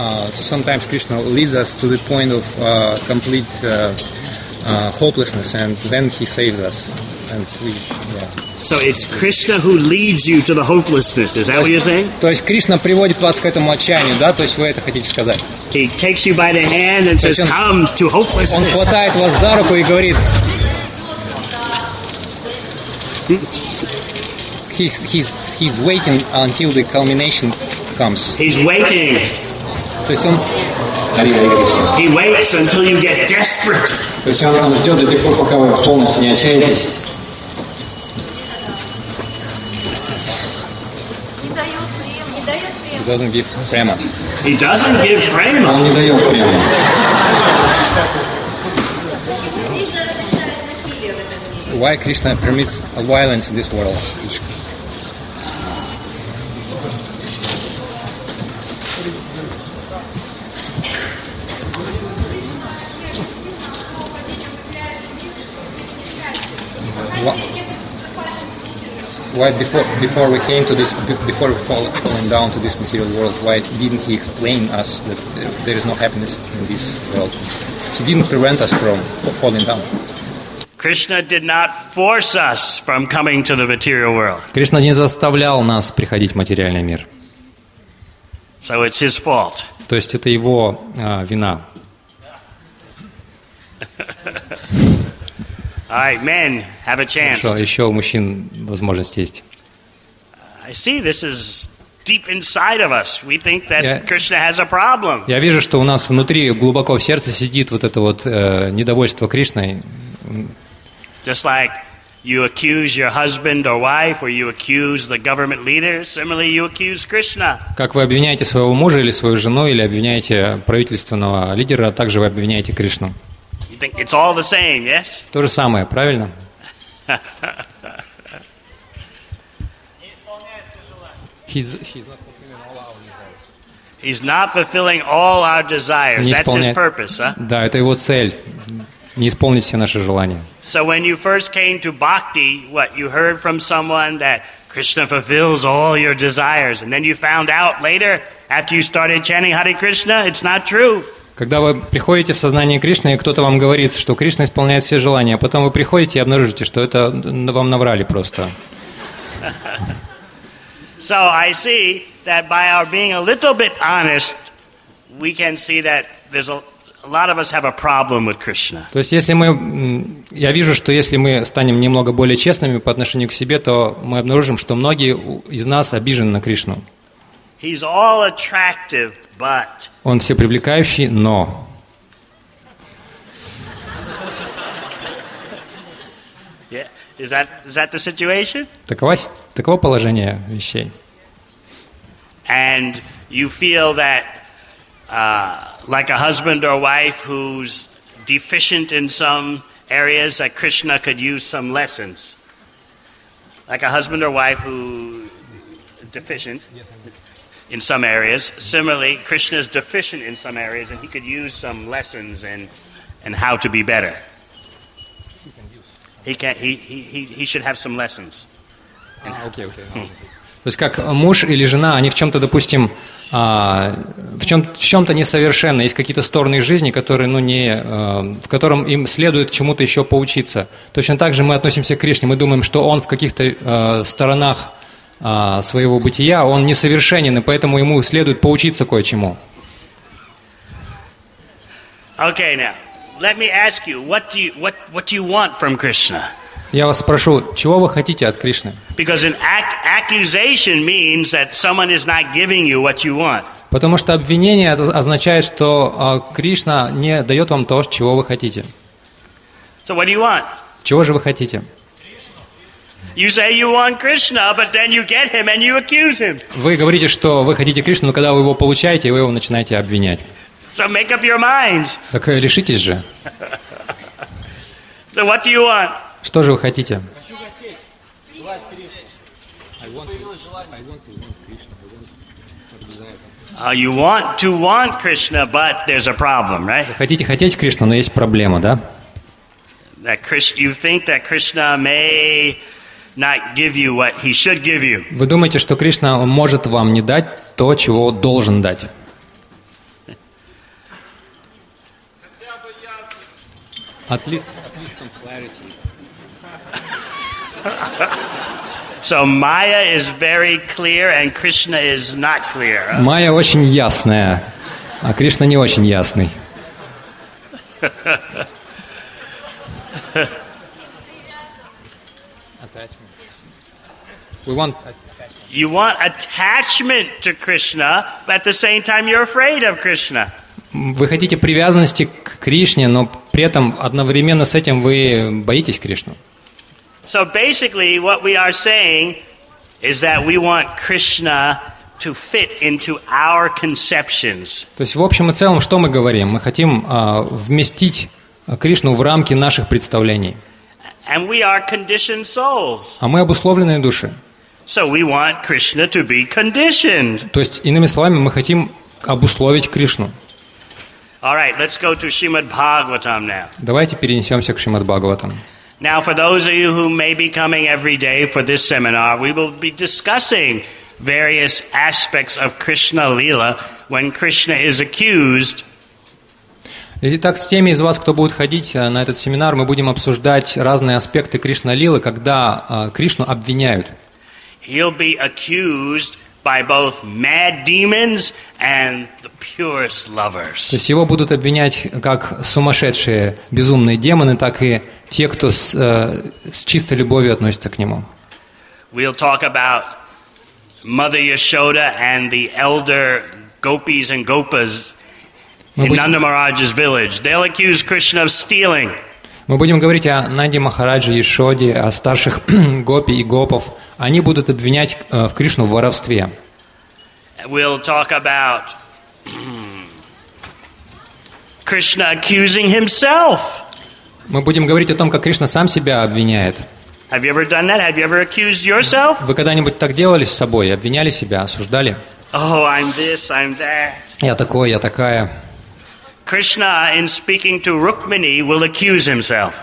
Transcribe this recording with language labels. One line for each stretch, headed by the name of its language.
English: Sometimes Krishna leads us to the point of complete hopelessness, and then he saves us. And we, yeah. So it's Krishna who leads you to the hopelessness. Is that what you're saying?
Russian: То есть Кришна приводит вас к этому отчаянию, да? То есть вы это хотите сказать?
English: He takes you by the hand and says, "Come to hopelessness."
Russian: Он хватает вас за руку и говорит.
English: He's waiting until the culmination comes. He's waiting.
Russian: То есть он.
English: He waits until you get desperate.
Russian: То есть он ждет до тех пор, пока вы полностью не отчаетесь. Не дает прямо.
English: He doesn't give prema.
Russian: Он не дает прямо.
English: Why Krishna permits violence in this world? Why before we came to this, before we falling down to this material world, why didn't he explain us that there is no happiness in this world? He didn't prevent us from falling down. Krishna did not force us from coming to the material world.
Russian: Кришна не заставлял нас приходить в материальный мир.
English: So it's his fault.
Russian: То есть это его вина.
English: All right, men, have a chance.
Russian: Хорошо, еще у мужчин возможность есть.
English: I see this is deep inside of us. We think that Krishna has a problem.
Russian: Я вижу, что у нас внутри, глубоко в сердце сидит вот это вот недовольство Кришной.
English: Just like you accuse your husband or wife, or you accuse the government leader, similarly you accuse Krishna.
Russian: Как вы обвиняете своего мужа или свою жену, или обвиняете правительственного лидера, также вы обвиняете Кришну.
English: You think it's all the same, yes?
Russian: То же самое, правильно?
English: He's not fulfilling all our desires. That's his purpose, huh?
Russian: Да, это его цель. Не исполнить все наши желания.
English: So when you first came to bhakti, what you heard from someone that Krishna fulfills all your desires, and then you found out later after you started chanting Hare Krishna, it's not true.
Russian: Когда вы приходите в сознание Кришны, и кто-то вам говорит, что Кришна исполняет все желания, а потом вы приходите и обнаружите, что это вам наврали просто.
English: So I see that by our being a little bit honest, we can see that there's a lot of us have a problem with Krishna.
Russian: То есть если мы, я вижу, что если мы станем немного более честными по отношению к себе, то мы обнаружим, что многие из нас обижены на Кришну.
English: He's all attractive, but.
Russian: Он все привлекающий, но.
English: Yeah, is that the situation?
Russian: Таково положение вещей.
English: And you feel that. Like a husband or wife who's deficient in some areas that Krishna could use some lessons. Like a husband or wife who deficient. in some areas. Similarly, Krishna is deficient in some areas, and he could use some lessons and how to be better. He should have some lessons.
Russian: То есть как муж или жена, они в чем-то, допустим, в чем-то несовершенны, есть какие-то стороны их жизни, которые, ну, не, в котором им следует чему-то еще поучиться. Точно так же мы относимся к Кришне, мы думаем, что он в каких-то сторонах своего бытия, он несовершенен, и поэтому ему следует поучиться кое-чему.
English: Okay, now, let me ask you, what do you want from Krishna?
Russian: Я вас спрошу, чего вы хотите от Кришны?
English: Because an accusation means that someone is not giving you what you want.
Russian: Потому что обвинение означает, что Кришна не дает вам то, чего вы хотите.
English: So what do you want?
Russian: Чего же вы хотите?
English: You say you want Krishna, but then you get him and you accuse him.
Russian: Вы говорите, что вы хотите Кришну, но когда вы его получаете, вы его начинаете обвинять.
English: So make up your mind.
Russian: Так решитесь же.
English: So what do you want?
Russian: Что же вы хотите?
English: You want to want Krishna, but there's a problem, right?
Russian: Хотите хотеть Кришну, но есть проблема, да?
English: That Krishna, you think that Krishna may not give you what he should give you.
Russian: Вы думаете, что Кришна может вам не дать то, чего должен дать?
English: So Maya is very clear and Krishna is not clear.
Russian: Maya очень ясная, а Кришна не очень ясный.
English: You want attachment to Krishna, but at the same time you're afraid of Krishna.
Russian: Вы хотите привязанности к Кришне, но при этом одновременно с этим вы боитесь Кришну.
English: So basically, what we are saying is that we want Krishna to fit into our conceptions.
Russian: То есть в общем и целом, что мы говорим? Мы хотим вместить Кришну в рамки наших представлений.
English: And we are conditioned souls.
Russian: А мы обусловленные души.
English: So we want Krishna to be conditioned.
Russian: То есть иными словами, мы хотим обусловить Кришну.
English: All right, let's go to Shrimad Bhagavatam now.
Russian: Давайте перенесемся к Шримад Бхагаватам.
English: Now, for those of you who may be coming every day for this seminar, we will be discussing various aspects of Krishna Lila when Krishna is accused.
Russian: Итак, с теми из вас, кто будет ходить на этот семинар, мы будем обсуждать разные аспекты Кришна Лилы, когда Кришну обвиняют.
English: He'll be accused by both mad demons and the purest lovers.
Russian: То есть его будут обвинять как сумасшедшие безумные демоны, так и те, кто с чистой любовью относится к нему.
English: We'll talk about Mother Yashoda and the elder gopis and gopas in Nanda Maharaj's village. They'll accuse Krishna of stealing.
Russian: Мы будем говорить о Нанде Махарадже, Ешоде, о старших гопи и гопов. Они будут обвинять в Кришну в воровстве.
English: We'll talk about Krishna accusing himself.
Russian: Мы будем говорить о том, как Кришна сам себя обвиняет.
English: Have you ever done that? Have you ever accused yourself?
Russian: Вы когда-нибудь так делали с собой, обвиняли себя, осуждали?
English: Oh, I'm this, I'm that.
Russian: Я такой, я такая.
English: Krishna, in speaking to Rukmini, will accuse himself.